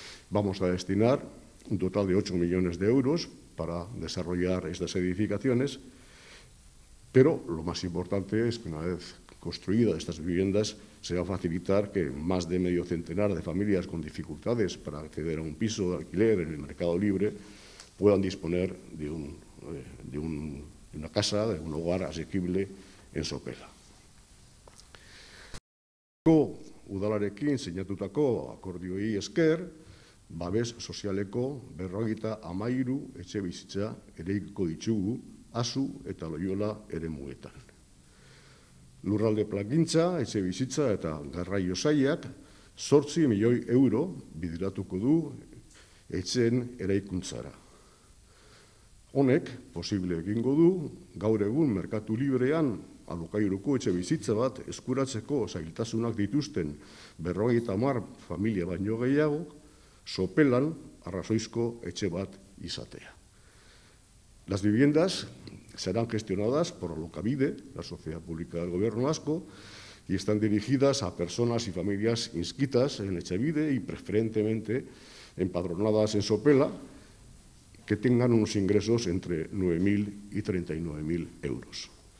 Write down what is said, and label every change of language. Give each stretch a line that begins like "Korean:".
Spanish: Vamos a destinar un total de 8 millones de euros para desarrollar estas edificaciones, pero lo más importante es que una vez construidas estas viviendas, se va a facilitar que más de medio centenar de familias con dificultades para acceder a un piso de alquiler en el mercado libre puedan disponer de una casa, de un hogar asequible en Sopela.
Basque: Udalarekin sinatutako akordioi esker, babes sozialeko 53 etxe bizitza eraikiko ditugu Asu eta Loyola eremuetan. Lurralde plangintza, etxe bizitza eta garraio sailak 8 milioi euro bideratuko du etxeen eraikuntzara. Honek, posible egingo du, gaur egun merkatu librean alokairuko etxe bizitza bat eskuratzeko zailtasunak dituzten 50 familia baino gehiago, Sopelan arrazoizko etxe bat izatea.
Spanish: Las viviendas serán gestionadas por Alokabide, la sociedad pública del Gobierno Vasco, y están dirigidas a personas y familias inscritas en Etxebide y preferentemente empadronadas en Sopela, que tengan unos ingresos entre 9.000 y 39.000 euros.